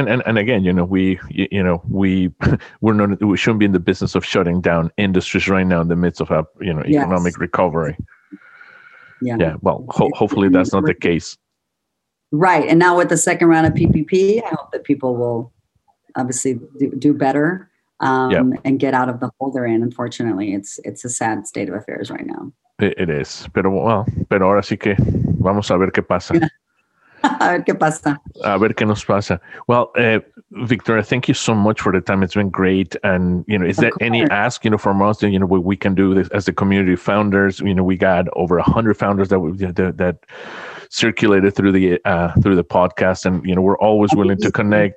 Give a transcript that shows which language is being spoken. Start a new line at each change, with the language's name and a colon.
English: And again, you know, we shouldn't be in the business of shutting down industries right now in the midst of a, you know, economic recovery. Yeah. Yeah. Well, hopefully that's not the case. Right. And now with the second round of PPP, I hope that people will obviously do better. And get out of the hole they're in. Unfortunately, it's a sad state of affairs right now. It is.
Spanish: Pero ahora sí que vamos a ver qué pasa. A ver qué pasa. A ver qué nos pasa.
English: Well, Victoria, thank you so much for the time. It's been great. And, you know, any ask, you know, from us, you know, what we can do this as the community founders? You know, we got over 100 founders that that circulated through the podcast, and you know, we're always willing to connect.